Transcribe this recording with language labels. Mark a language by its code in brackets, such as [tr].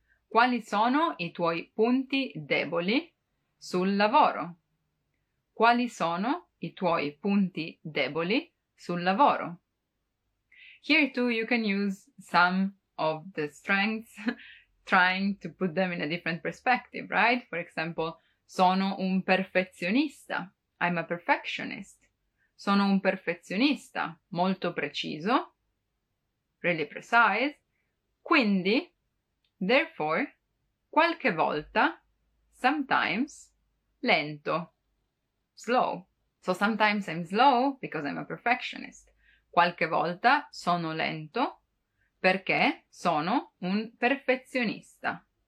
[it] Quali sono i tuoi punti deboli sul lavoro? Quali sono i tuoi punti deboli sul lavoro? [en] Here too, you can use some of the strengths, trying to put them in a different perspective, right? For example, [it] sono un perfezionista. [en] I'm a perfectionist. [it] Sono un perfezionista. Molto preciso. [en] Really precise. [it] Quindi, [en] therefore, [it] qualche volta, [en] sometimes, [it] lento. [en] Slow. So sometimes I'm slow because I'm a perfectionist. [it] Qualche volta sono lento perché sono un perfezionista.